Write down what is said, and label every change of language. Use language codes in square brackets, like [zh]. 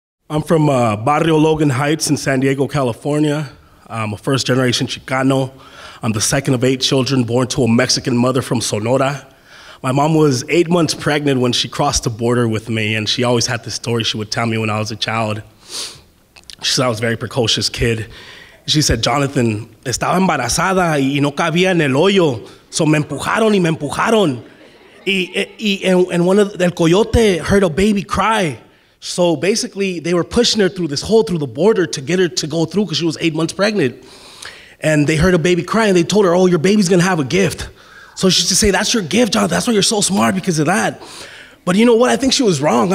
[en] I'm from Barrio Logan Heights in San Diego, California. I'm a first-generation Xicano. I'm the second of eight children born to a Mexican mother from Sonora. My mom was 8 months pregnant when she crossed the border with me, and she always had this story she would tell me when I was a child. She said I was a very precocious kid. She said, [es] Jonathan, estaba embarazada y no cabía en el hoyo, [en] so [es] me empujaron y me empujaron. [en] And one of the, el coyote heard a baby cry. So basically, they were pushing her through this hole through the border to get her to go through because she was 8 months pregnant. And they heard a baby cry, and they told her, oh, your baby's going to have a gift. So she used to say, that's your gift, Jonathan. That's why you're so smart because of that. But you know what? I think she was wrong.